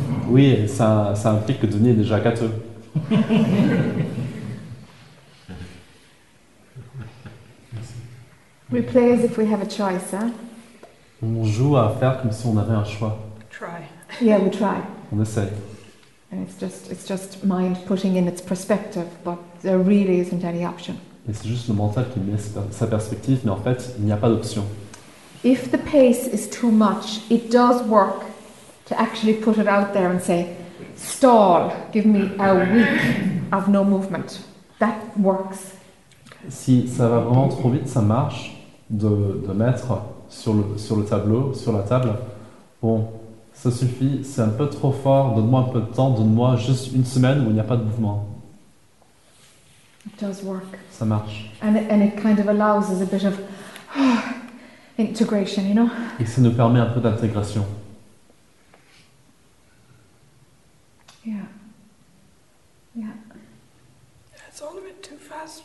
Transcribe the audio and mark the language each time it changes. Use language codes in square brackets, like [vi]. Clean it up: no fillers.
[fr] Oui, ça implique que Denis est déjà gâteux. [en] We play as if we have a choice, hein? [fr] On joue à faire comme si on avait un choix. [en] Try. Yeah, we try. [fr] On essaie. [en] And it's just mind putting in its perspective, but there really isn't any option. [fr] Et c'est juste le mental qui met sa perspective, mais en fait, il n'y a pas d'option. [en] If the pace is too much, it does work to actually put it out there and say, stall, give me a week of no movement. That works. [fr] Si ça va vraiment trop vite, ça marche de mettre sur le tableau, sur la table, bon, ça suffit, c'est un peu trop fort, donne-moi un peu de temps, donne-moi juste une semaine où il n'y a pas de mouvement. [en] It does work. [fr] Ça marche. [en] And it kind of allows us a bit of integration, you know? [fr] Et ça nous permet un peu d'intégration. [en] Yeah. It's all a bit too fast.